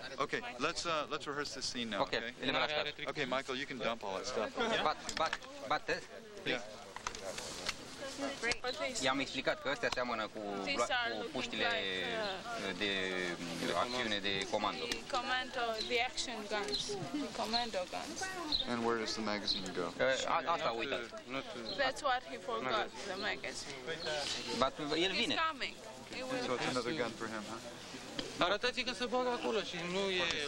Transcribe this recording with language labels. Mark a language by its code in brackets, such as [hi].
[en] Okay, let's rehearse this scene now, okay? Okay, okay, Michael, you can dump all that stuff. But this, please. [ro] I-am explicat că astea seamănă cu puștile de acțiune de comando. [en] Commando, the action guns. Commando guns. And where does the magazine go? [ro] Asta uitat. [en] That's what he forgot, the magazine. But [ro] el vine. [en] He's coming. So it's another gun for him, huh? [ro] Arătați că se bagă acolo și nu e...